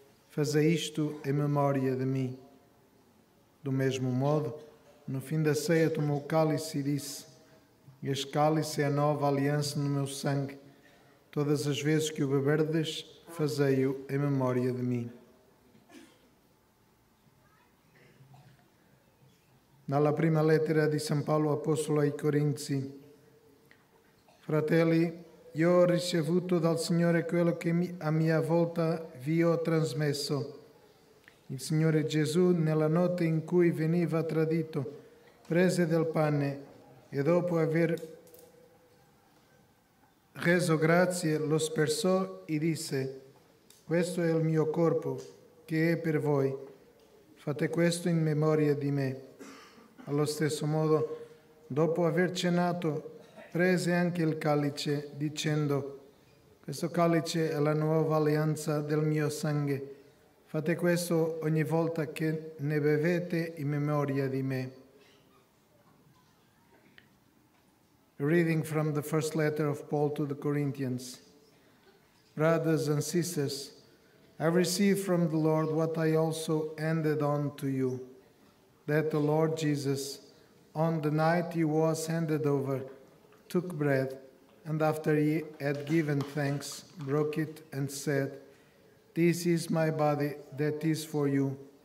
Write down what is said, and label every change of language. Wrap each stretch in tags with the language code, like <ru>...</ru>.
<pt>Fazei isto em memória de mim. Do mesmo modo, no fim da ceia, tomou o cálice e disse: este cálice é a nova aliança no meu sangue. Todas as vezes que o beberdes, fazei-o em memória de mim.</pt> <it>Na prima lettera di San Paolo Apostolo ai Corinzi. Fratelli, io ho ricevuto dal Signore quello che a mia volta vi ho trasmesso. Il Signore Gesù, nella notte in cui veniva tradito, prese del pane e dopo aver reso grazie, lo spersò e disse: questo è il mio corpo che è per voi. Fate questo in memoria di me. Allo stesso modo, dopo aver cenato, prese anche il calice, dicendo: questo calice è la nuova alleanza del mio sangue. Fate questo ogni volta che ne bevete in memoria di me.</it> <en>Reading from the first letter of Paul to the Corinthians. Brothers and sisters, I received from the Lord what I also handed on to you, that the Lord Jesus, on the night he was handed over, took bread, and after he had given thanks, broke it and said, this is my body that is for you.</en>